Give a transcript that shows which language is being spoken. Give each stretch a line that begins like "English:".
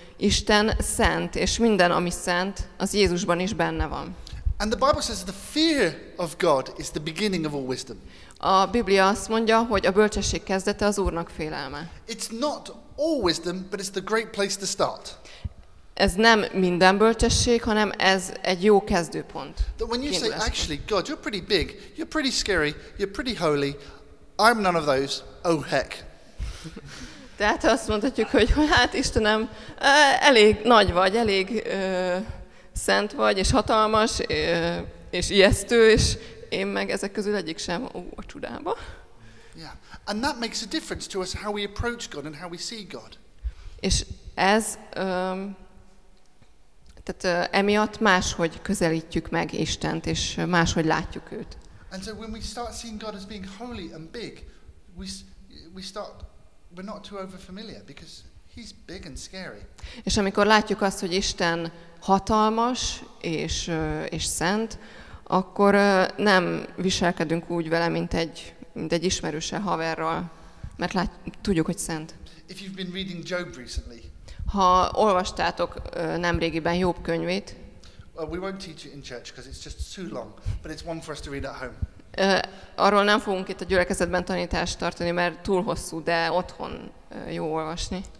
Hungarian: Isten szent, és minden, ami szent, az Jézusban is benne van.
English: And the Bible says the fear of God is the beginning of all wisdom.
Hungarian: A Biblia azt mondja, hogy a bölcsesség kezdete az Úrnak félelme.
English: It's not all wisdom, but it's the great place to start.
Hungarian: Ez nem minden bölcsesség, hanem ez egy jó kezdőpont.
English: But when you say, actually, God, you're pretty big, you're pretty scary, you're pretty holy, I'm none of those, oh heck.
Hungarian: Tehát azt mondhatjuk, hogy hát Istenem, elég nagy vagy, elég szent vagy, és hatalmas, és ijesztő, és én meg ezek közül egyik sem, a csodába.
English: Yeah. And that makes a difference to us how we approach God and how we see God.
Hungarian: És ez, tehát emiatt máshogy közelítjük meg Istent, és máshogy látjuk őt.
English: And so when we start seeing God as being holy and big, we're not too over familiar because he's big and scary.
Hungarian: És amikor látjuk azt, hogy Isten hatalmas és szent, akkor nem viselkedünk úgy vele, mint egy ismerőse haverral, mert tudjuk, hogy szent.
English: If you've been reading Job recently.
Hungarian: Ha olvastátok nemrégiben Jób könyvét.
English: Well, we won't teach it in church because it's just too long, but it's one for us to read at home.
Hungarian: Arról nem fogunk itt a gyülekezetben tanítást tartani, mert túl hosszú, de otthon jó olvasni.